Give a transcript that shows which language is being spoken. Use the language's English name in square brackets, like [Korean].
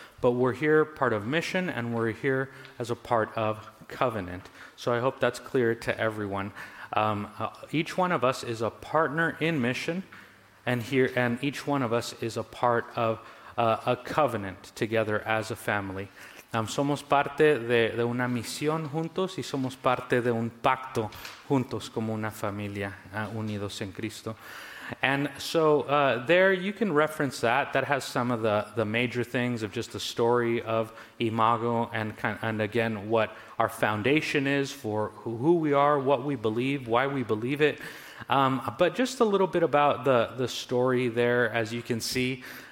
[English] But we're here part of mission and we're here as a part of covenant. So I hope that's clear to everyone. Each one of us is a partner in mission. And here, and each one of us is a part of a covenant together as a family. [Spanish] Somos parte de una misión juntos y somos parte de un pacto juntos como una familia unidos en Cristo. [English] And so there you can reference that. That has some of the major things of just the story of Imago and again what our foundation is for who we are, what we believe, why we believe it. But just a little bit about the story there, as you can see.